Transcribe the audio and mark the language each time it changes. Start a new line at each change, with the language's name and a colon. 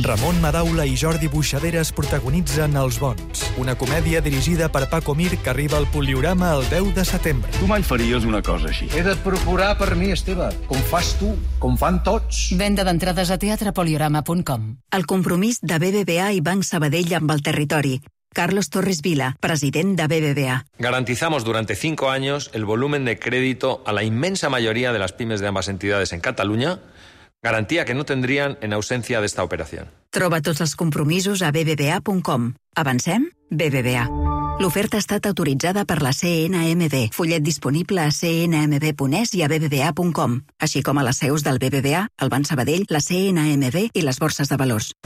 Catalan: Ramon Madaula i Jordi Boixaderas protagonitzen Els Bons, una comèdia dirigida per Paco Mir que arriba al Poliorama el 10 de setembre. Tu mai faries una cosa així. He de procurar per mi, Esteve, com fas tu, com fan tots. Venda d'entrades a teatrepoliorama.com. El compromís de BBVA i Banc Sabadell amb el territori. Carlos Torres Vila, president de BBVA.
Spanish: Garantizamos durante 5 años el volumen de crédito a la inmensa mayoría de las pymes de ambas entidades en Cataluña, garantía que no tendrían en ausencia de esta operación.
Catalan: Troba tots els compromisos a bbva.com. Avancem? BBVA. L'oferta ha estat autoritzada per la CNMV. Fullet disponible a cnmv.es i a bbva.com. Així com a les seus del BBVA, el Banc Sabadell, la CNMV i les borses de valors.